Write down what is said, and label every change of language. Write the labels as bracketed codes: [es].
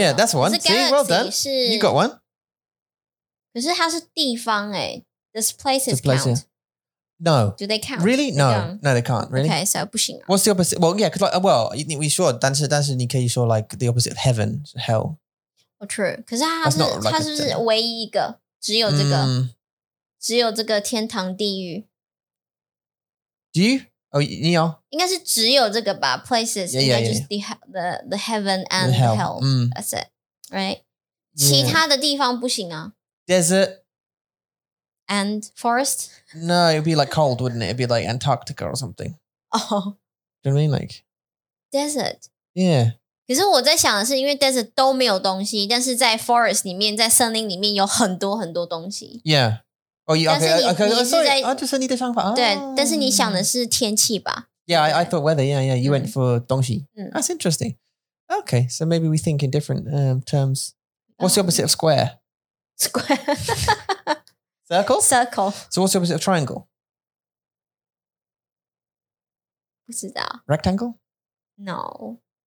[en] Yeah, that's one. See, well done. [zh] 是, [en] you got one. [zh] 可是它是地方耶. [en] This place is count. No. Do they count? Really? No. No, they can't. Really? Okay, so [zh] 不行. [en] What's the opposite? Well, yeah, because like, well, we sure, [zh] 但是你可以说 [en] like the opposite of heaven, hell. Oh, true. [zh] 可是它是不是唯一一个, 只有这个, 只有这个天堂地狱? [en] Do you? Oh, [zh] 你有? 应该是只有这个吧, places, [en] yeah, yeah, yeah. The heaven and the hell. Mm. That's it, right? Yeah. [zh] 其他的地方不行啊? [en] Desert. And forest? No, it'd be like cold, wouldn't it? It'd be like Antarctica or something. Oh. Do you know what I mean? Like desert? Yeah. [zh] 可是我在想的是因为desert都没有东西, 但是在forest里面,在森林里面有很多很多东西。 [en] Yeah. Oh, yeah, okay. Sorry, [zh] 就是你的想法。对,但是你想的是天气吧。 [en] Yeah, I thought weather, yeah, yeah. You went for 东西.That's interesting. Okay, so maybe we think in different terms. What's the opposite of square? Square. Circle? Circle. So what's the opposite of triangle? [zh] 不知道. [en] Rectangle? No.